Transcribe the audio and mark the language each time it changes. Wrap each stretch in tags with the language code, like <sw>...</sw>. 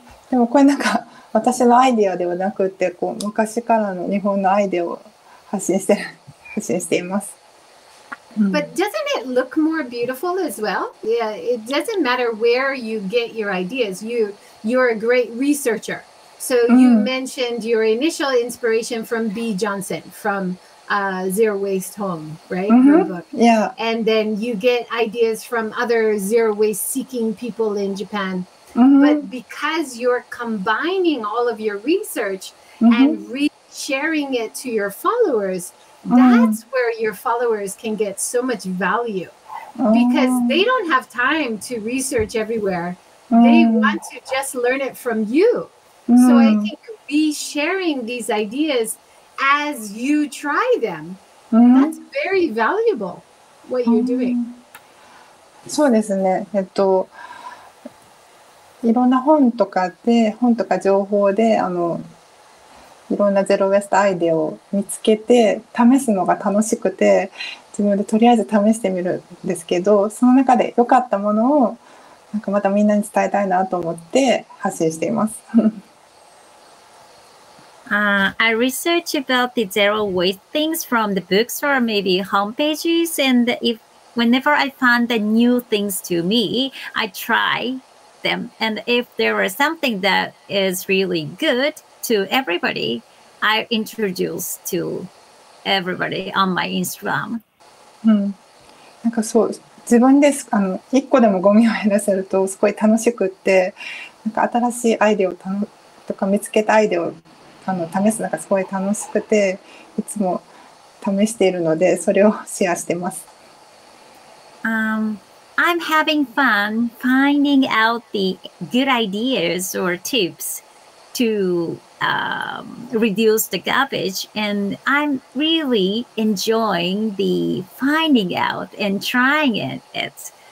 <ja>でもこれなんか私のアイデアではなくて、こう昔からの日本のアイデアを発信しています。</ja> <en>But doesn't it look more beautiful as well? Yeah, it doesn't matter where you get your ideas. You're a great researcher. So you mentioned your initial inspiration from B. Johnson from Zero Waste Home, right? Mm-hmm. Her book. Yeah. And then you get ideas from other zero waste seeking people in Japan. Mm-hmm. But because you're combining all of your research mm-hmm. and sharing it to your followers,That's where your followers can get so much value because they don't have time to research everywhere. They want to just learn it from you. So I think resharing these ideas as you try them, that's very valuable what you're doing.</en> <ja>そうですね。いろんな本とかで、本とか情報で、あの、いろんなゼロウェストアイデアを見つけて試すのが楽しくて、自分でとりあえず試してみるんですけど、その中で良かったものをなんかまたみんなに伝えたいなと思って発信しています。</ja> <en>I research about the zero waste things from the books or maybe homepages, and if whenever I find the new things to me, I try them, and if there is something that is really goodTo everybody, I introduce to everybody on my Instagram.</en> <ja>なんかそう、自分で、あの、一個でもゴミを減らせるとすごい楽しくって、なんか新しいアイデアをとか見つけたアイデアをあの試すのがすごい楽しくて、いつも試しているのでそれをシェアしてます。</ja> <en>I'm having fun finding out the good ideas or tips to. Reduce the garbage, and I'm really enjoying the finding out and trying it.</en>